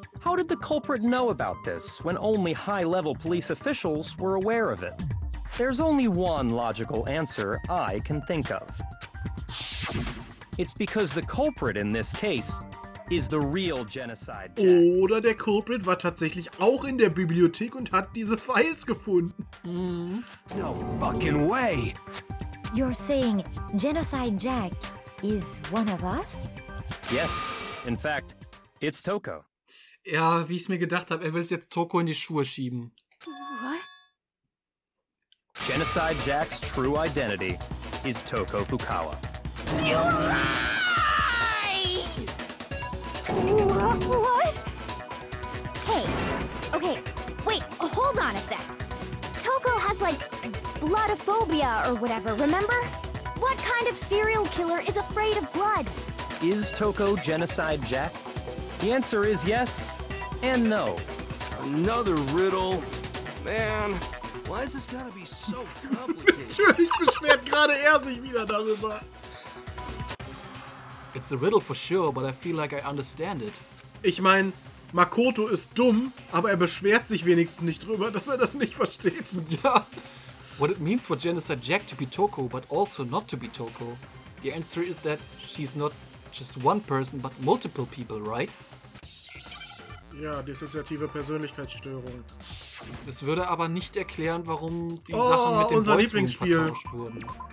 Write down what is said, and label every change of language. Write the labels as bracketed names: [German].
[English] How did the culprit know about this, when only high-level police officials were aware of it? There's only one logical answer I can think of. It's because the culprit in this case is the real Genocide Jack. [German] Oder der Culprit war tatsächlich auch in der Bibliothek und hat diese Files gefunden. [English] No fucking way! You're saying Genocide Jack is one of us? Yes, in fact, it's Toko. [German] Ja, wie ich es mir gedacht habe, er will es jetzt Toko in die Schuhe schieben. [English] What? Genocide Jack's true identity is Toko Fukawa. You lie! What? Hey, okay, wait, hold on a sec. Toko has, like, bloodophobia or whatever, remember? What kind of serial killer is afraid of blood? Is Toko Genocide Jack? The answer is yes. And no. Another riddle. Man, why is this gotta be so complicated? [German] Natürlich beschwert gerade sich wieder darüber. [English] It's a riddle for sure, but I feel like I understand it. [German] Ich meine, Makoto ist dumm, aber er beschwert sich wenigstens nicht drüber, dass er das nicht versteht. Ja. [English] What it means for Genocide Jack to be Toko, but also not to be Toko. The answer is that she's not just one person, but multiple people, right? [German] Ja, dissoziative Persönlichkeitsstörung. Das würde aber nicht erklären, warum die Sachen mit dem Voice-Room vertauscht wurden.